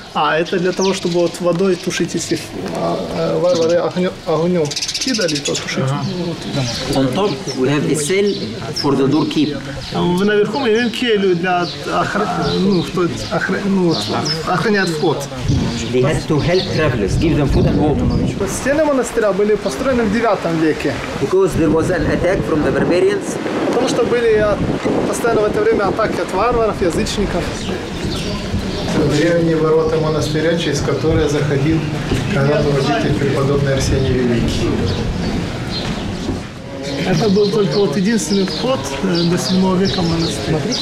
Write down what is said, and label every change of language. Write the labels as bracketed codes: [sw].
[ru] А это для того, чтобы вот водой тушить, если варвары огнем кидали, то тушить. Uh-huh. [en] On top we have a cell for the doorkeep. [ru] Наверху мы имеем келью для охранять вход. [en] They had to help travelers, give them food and water. [ru] Стены монастыря были построены в 9 веке. [en] Because there was an attack from the barbarians. [ru] Потому что были постоянно в это время атаки от варваров, язычников. Древние ворота монастыря, через которые заходил когда-то водитель преподобный Арсений Великий. Это был только вот единственный вход до 7 века монастыря.